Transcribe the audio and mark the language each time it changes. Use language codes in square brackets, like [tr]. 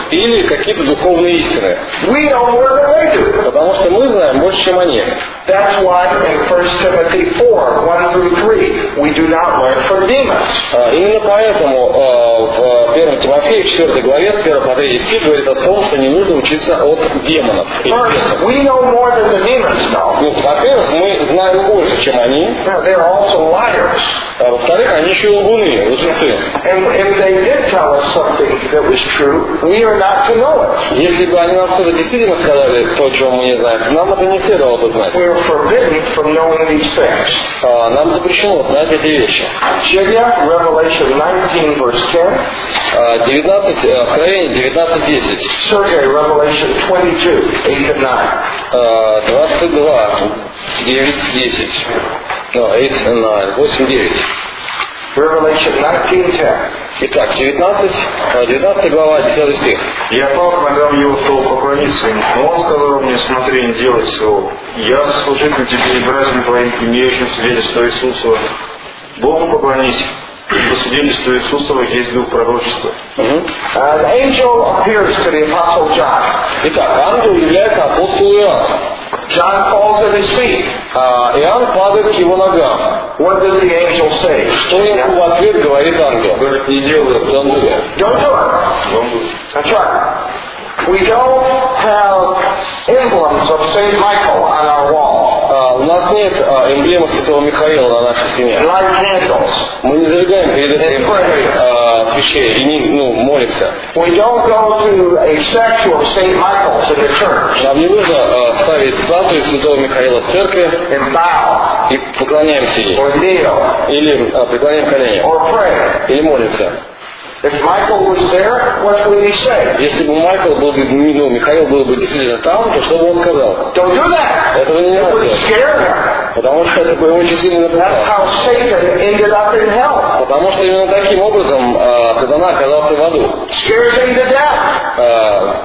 [ru] Или какие-то духовные истины. [en] We know more than they do. [ru] Потому что мы знаем больше, чем они. [en] That's why in 1 Timothy 4, 1-3, we do not learn from demons. [ru] Именно поэтому в 1 Тимофея 4 главе, с 1 по 3 стих, говорит о том, что не нужно учиться от демонов. [en] First, we know more than the demons know. [ru] Ну, во-первых, мы знаем больше, чем они. [en] Now, they're also liars. [ru] Во-вторых, они еще и лгуны, лжецы. [en] And if they did tell us something that was true, we are not to know it. [ru] Если бы они нам что-то действительно сказали, то, чего мы не знаем, нам это не следовало бы знать. [en] We are forbidden from knowing these things. [ru] Нам запрещено знать эти вещи. [en] Revelation 19, verse 10. [ru] 19:10. [en] Sergey, Revelation 22:8-9. Revelation 19:10. [ru] Итак, 19 глава, 10 стих. «Я пал к ногам его, стал поклониться ему, но он сказал мне, смотри, не делай всего. Я служитель тебе и братьям твоим, имеющим свидетельство Иисусова. Богу поклонись, ибо свидетельство Иисусова есть дух пророчества». [en] An angel appears to the apostle John. [ru] Итак, ангел является апостолом Иоанном. [en] John falls at his feet. [ru] Иоанн падает к его ногам. [en] What does the angel say? [ru] Что ему в ответ говорит ангел? Говорит, не делай это. [en] Don't do it. Don't do it. That's right. We don't have emblems of Saint Michael on our wall. [ru] У нас нет эмблемы Святого Михаила на нашей стене. [en] Light candles. [ru] Мы не зажигаем перед этим свечей и не, ну, молимся. [en] We don't go to a statue of Saint Michael in the church. [ru] Нам не нужно ставить статую Святого Михаила в церкви и поклоняемся ей. [en] Or kneel. [ru] Или преклоняем колени. [en] Or pray. [ru] Или молимся. [en] If Michael was there, what would he say? [ru] Если бы Майкл был, ну, Михаил был бы действительно там, то что бы он сказал? [en] Don't do that. [ru] Этого не надо. [en] It would scare him. [ru] Потому что это бы его очень сильно напугало. [en] That's how Satan ended up in hell. [ru] Потому что именно таким образом Сатана оказался в аду. [en] Scared him to death.